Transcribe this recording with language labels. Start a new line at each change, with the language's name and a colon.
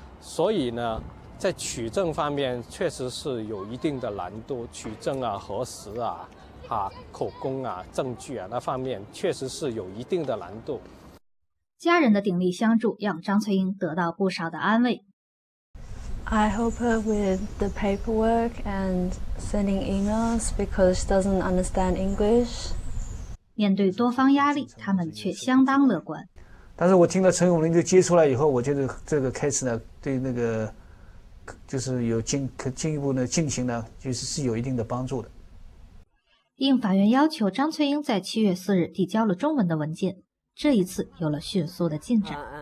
Chinese: 所以呢？在取证方面确实是有一定的难度，取证啊、核实啊、口供啊、证据啊，那方面确实是有一定的难度。家人的鼎力相助让张翠英得到不少的安慰。
English: I help her with the paperwork and sending emails because she doesn't understand English.
Chinese: 面对多方压力，他们却相当乐观。但是我听到陈永林就接出来以后，我觉得这个 case 呢，对那个就是有进一步的进行呢，就是有一定的帮助的。应法院要求，张翠英在7月4日递交了中文的文件，这一次有了迅速的进展。